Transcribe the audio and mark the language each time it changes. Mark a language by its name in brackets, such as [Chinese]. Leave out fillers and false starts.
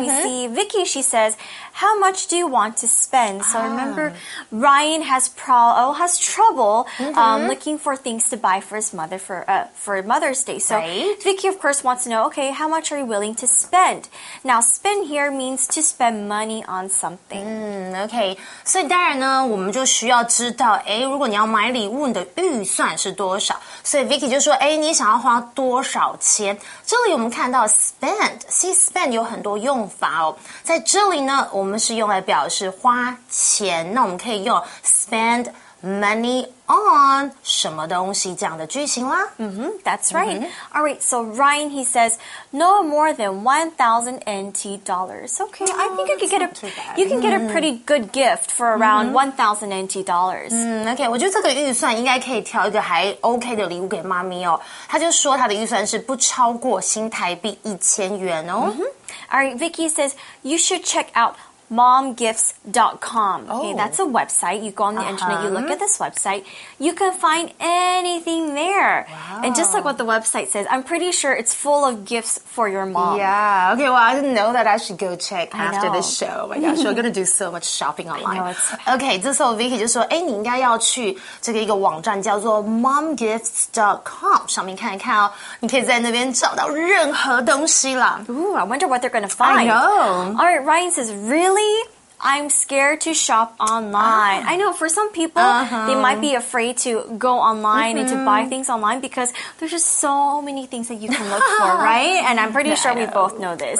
[English] we see Vicky, she says, how much do you want to spend? So remember, Ryan has trouble、mm-hmm. Looking for things to buy for his mother for Mother's Day. So、 right. Vicky, of course, wants to know, okay, how much are you willing to spend? Now, spend here means to spend money on something.、 [Chinese] Okay, 所以当然呢我们就需要知道如果你要买礼物你的预算是多少。所以 Vicky 就说你想要花多少钱。这里我们看到 spend, see spend 有很多用法哦。在这里呢我们是用来表示花钱那我们可以用 spend money on 什么东西这样的句型啦。 [English] That's right.、Mm-hmm. All right, so Ryan, he says, no more than 1,000 NT dollars. Okay, I think you can get a pretty good gift for around 1,000 NT dollars. [Chinese] Okay, 我觉得这个预算应该可以挑一个还 OK 的礼物给妈咪哦。他就说他的预算是不超过新台币1000元哦。 [English] All right, Vicky says, you should check outmomgifts.com. Okay, that's a website. You go on the internet, you look at this website, you can find anything there. Wow. And just like what the website says, I'm pretty sure it's full of gifts for your mom. Yeah, okay, well, I didn't know that I should go check after this show. Oh my gosh, we're going to do so much shopping online. Okay, [Chinese] 这时候 Vicky 就说你应该要去这个一个网站叫做 momgifts.com 上面看一看哦。你可以在那边找到任何东西啦。 [English] Ooh, I wonder what they're going to find. I know. All right, Ryan says, really? I'm scared to shop online. I know for some people, they might be afraid to go online and to buy things online because there's just so many things that you can look for, right? And I'm pretty sure we both know this.